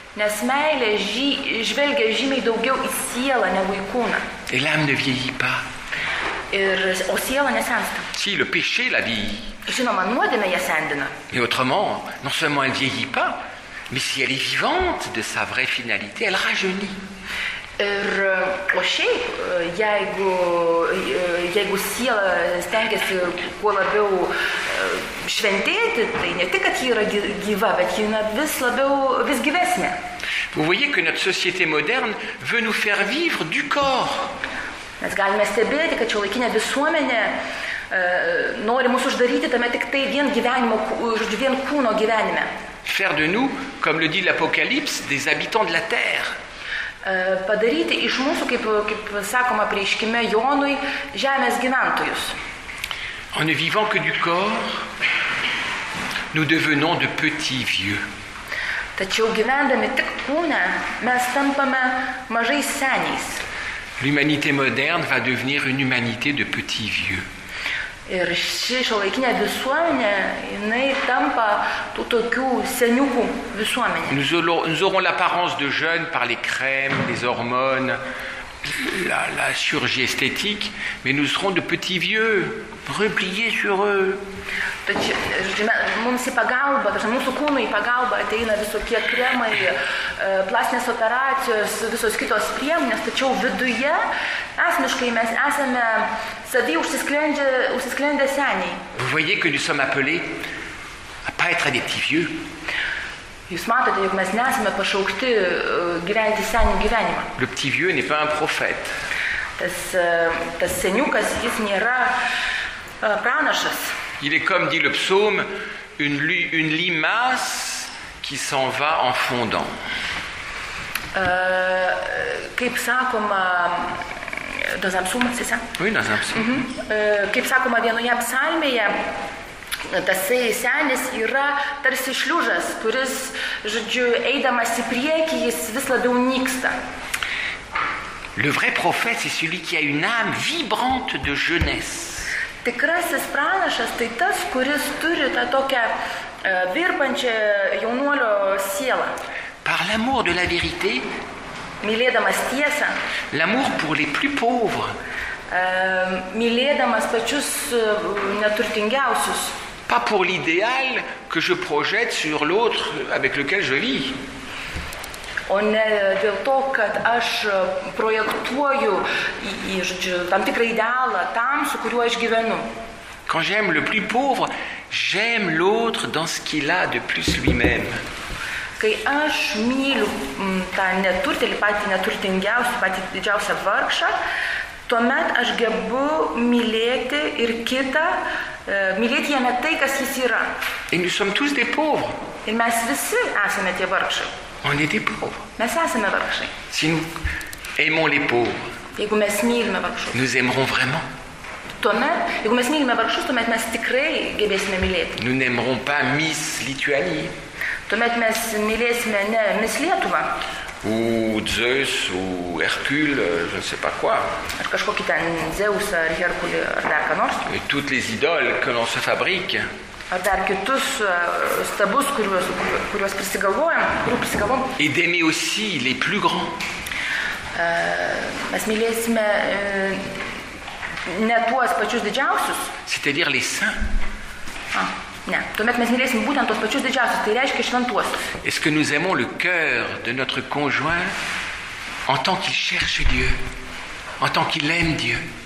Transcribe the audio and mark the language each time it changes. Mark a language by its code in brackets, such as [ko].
[lt] Nes meilė žvelgia žymiai daugiau į sielą negu į kūną. [fr] Et l'âme ne vieillit pas. [lt] Ir, o siela nesensta. [fr] Si, le péché la vie. [lt] Žinoma, nuodėmė ją sendina. [fr] Et autrement, non seulement elle vieillit pas, mais si elle est vivante de sa vraie finalité, elle rajeunit. [lt] Ir o šiaip, jeigu siela stengiasi kuo labiau šventėti, tai ne tik, kad ji yra gyva, bet ji vis labiau, vis gyvesnė. [fr] Vous voyez que notre société moderne veut nous faire vivre du corps. [lt] Mes galime stebėti, kad šiuolaikinė visuomenė nori mus uždaryti tame tik tai vien gyvenimo, žodžiu, vien kūno gyvenime. [fr] Faire de nous, comme le dit l'Apocalypse, des habitants de la terre. [lt] Padaryti iš mūsų, kaip sakoma prieškime Jonui, žemės gyventojus. [fr] En ne vivant que du corps, nous devenons de petits vieux. [lt] Tačiau gyvendami tik kūne, mes tampame mažais seniais. [fr] L'humanité moderne va devenir une humanité de petits vieux. [lt] Ir ši šiuolaikinė visuomenė, jinai tampa tų tokių seniukų visuomenė. [fr] Nous aurons l'apparence de jeunes par les crèmes, les hormones, la chirurgie esthétique, mais nous serons de petits vieux, repliés sur eux. [lt] Mums į pagalbą, mūsų kūnų į pagalbą ateina visokie kremai, plastinės operacijos, visos kitos priemonės, tačiau viduje, esmiškai, mes esame savi užsisklendę seniai. [fr] Vous voyez que nous sommes appelés à pas être des petits vieux. [lt] Jūs matote, jog mes nesame pašaukti gyventi senių gyvenimą. [fr] Le petit vieux n'est pas un prophète. [lt] Tas seniukas, jis nėra pranašas. [fr] Il est comme dit le psaume, une limace qui s'en va en fondant. [lt] Kaip sakoma, [fr] dans un psaume, c'est ça? Oui, dans un psaume. Mm-hmm. [lt] Kaip sakoma vienoje psalmėje, tasai senis yra tarsi šliužas, kuris, žodžiu, eidamas į priekį, jis vis labiau nyksta. [fr] Le vrai prophète, c'est celui qui a une âme vibrante de jeunesse. [lt] Tikrasis pranašas tai tas, kuris turi tą tokią virpančią jaunuolio sielą. [fr] Par l'amour de la vérité. [lt] Mylėdamas tiesą. [fr] L'amour pour les plus pauvres. [lt] Mylėdamas pačius neturtingiausius. [fr] Pas pour l'idéal que je projette sur l'autre avec lequel je vis. [lt] O ne dėl to, kad aš projektuoju tam tikrą idealą tam, su kuriuo aš gyvenu. [fr] Quand j'aime le plus pauvre, j'aime l'autre dans ce qu'il a de plus lui-même. [lt] Kai aš myliu tą neturtelį, patį neturtingiausią, patį didžiausią vargšą, tuomet aš gebu mylėti ir kitą, mylėti jame tai, kas jis yra. [fr] Et nous sommes tous des pauvres. [lt] Ir mes visi esame tie vargšai. [fr] On est des pauvres. Mais ça, c'est mes vargšai. Si nous aimons les pauvres, [lt] jeigu mes mylime vargšus, [fr] nous aimerons vraiment. [lt] Tuomet, jeigu mes mylime vargšus, tuomet mes tikrai gebėsime mylėti. [fr] Nous n'aimerons pas Miss Lituanie. [lt] Tuomet mes mylėsime ne Miss Lietuva. [fr] Ou Zeus, ou Hercule, je ne sais pas quoi. [lt] Ar kažkokį ten Zeus, ar Hercule, ar dar ką nors. [fr] Et toutes les idoles que l'on se fabrique. [lt] Ar dar kitus stabus, kuriuos prisigalvojam, kurių prisigalvom. [fr] Et d'aimer aussi les plus grands. [lt] Mes mylėsime ne tuos pačius didžiausius. [fr] C'est-à-dire les saints. [lt] Ne, tuomet mes mylėsime būtent tuos pačius didžiausius, tai reiškia šventuosius. [fr] Est-ce que nous aimons le cœur de notre conjoint en tant qu'il cherche Dieu, en tant qu'il aime Dieu?